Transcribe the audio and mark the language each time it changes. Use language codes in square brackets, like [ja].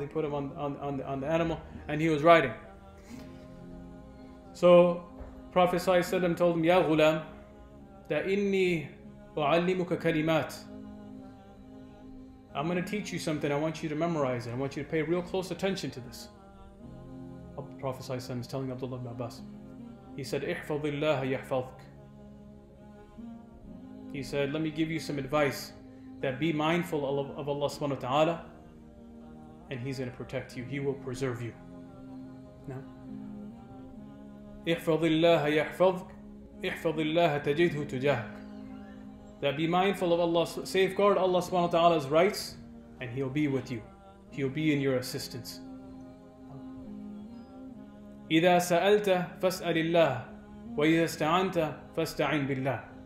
[en] He put him on the animal, and he was riding. So Prophet sallallahu alaihi wasallam told him, [ar] "Ya ghulam, da inni u'allimuka kalimat." [en] I'm going to teach you something. I want you to memorize it. I want you to pay real close attention to this. Prophet ﷺ is telling Abdullah ibn Abbas. He said, [ar] احفظ الله يحفظك. [en] He said, let me give you some advice, that be mindful of Allah subhanahu wa ta'ala, and He's going to protect you. He will preserve you. [ar] Now, احفظ الله يحفظك. احفظ الله تجده تجاهك. [en] That be mindful of Allah, safeguard Allah subhanahu wa ta'ala's rights, and He'll be with you. He'll be in your assistance. [ar] إِذَا سَأَلْتَ فَاسْأَلِ اللَّهِ وَإِذَا اسْتَعَنْتَ فَاسْتَعِنْ بِاللَّهِ.